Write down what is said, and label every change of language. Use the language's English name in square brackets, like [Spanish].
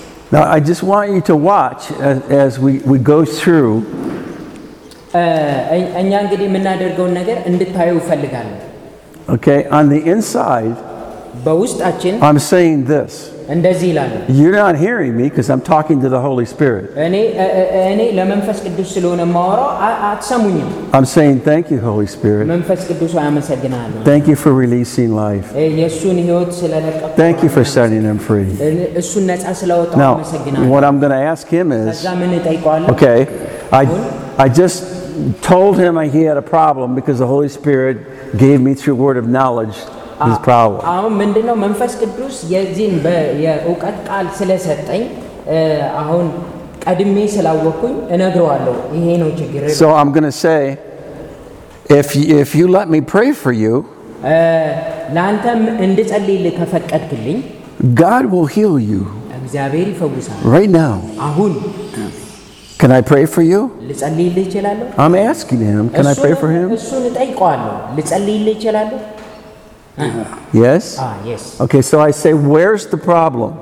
[English] Now I just want you to watch as we go through. [Amharic] እኛ እንግዲህ የምናደርገው ነገር እንድታዩ ፈልጋለሁ. [English] Okay, on the inside. [Amharic] በውስጣችን. [English] I'm saying this. [Amharic] እንደዚህ ላለ. [English] You're not hearing me because I'm talking to the Holy Spirit. [Amharic] እኔ ለመንፈስ ቅዱስ ስለሆነ ማወራው አትሰሙኝም. [English] I'm saying thank you Holy Spirit. [Amharic] መንፈስ ቅዱስ ሆይ አመሰግናለሁ. [English] Thank you for releasing life. [Amharic] ኢየሱስን ህይወት ስለለቀቀ. [English] Thank you for setting him free. [Amharic] እሱን ነጻ ስለወጣው አመሰግናለሁ. [English] What I'm going to ask him is. [Amharic] ከዛ ምን እጠይቃለሁ? [English] Okay. I just told him he had a problem because the Holy Spirit gave me through word of knowledge. His problem. [Amharic] አሁን ምንድነው መንፈስ ቅዱስ የዚህን በእውቀት ቃል ስለሰጠኝ አሁን ቀድሜ ስላወኩኝ እነግረዋለሁ ይሄ ነው ችግር. [English] So I'm going to say if you let me pray for you, [Amharic] ናንተም እንድጸልይልህ ከፈቀድክልኝ, [English] God will heal you. [Amharic] እግዚአብሔር ይፈውሳል. [English] Right now. [Amharic] አሁን. [English] Can I pray for you? [Amharic] ልጸልይልህ እችላለሁ? [English] I'm asking him, can I pray for him? [Amharic] እሱን እጠይቀዋለሁ ልጸልይልህ እችላለሁ? [English] Yes? Ah, yes. Okay, so I say, where's the problem?